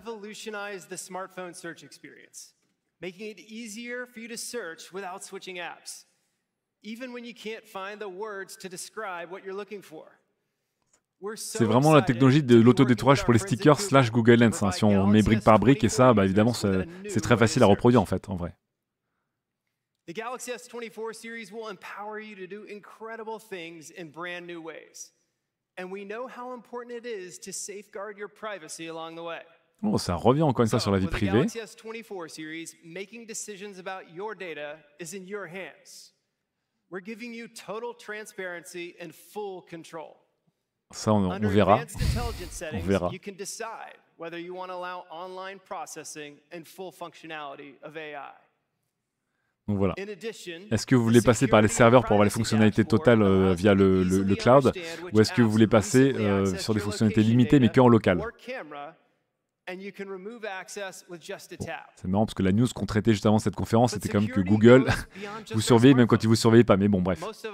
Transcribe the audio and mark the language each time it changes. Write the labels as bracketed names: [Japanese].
[French] C'est vraiment la technologie de l'auto-détourage pour les stickers slash Google Lens, hein, si on met brique par brique, et ça, bah, évidemment, c'est très facile à reproduire, en fait, en vrai. [English] The Galaxy S24 series will empower you to do incredible things in brand new ways. And we know how important it is to safeguard your privacy along the way. [French] Oh, ça revient encore une fois sur la vie privée. [English] Galaxy S24 series, making decisions about your data is in your hands. We're giving you total transparency and full control. [French] Ça, on verra. On verra. [English] You can decide whether you want to allow online processing and full functionality of AI. [French] Donc voilà. Est-ce que vous voulez passer par les serveurs pour avoir les fonctionnalités totales via le cloud, ou est-ce que vous voulez passer sur des fonctionnalités limitées mais qu'en local? Bon, c'est marrant parce que la news qu'on traitait juste avant cette conférence, c'était quand même que Google vous surveille même quand il ne vous surveille pas. Mais bon, bref.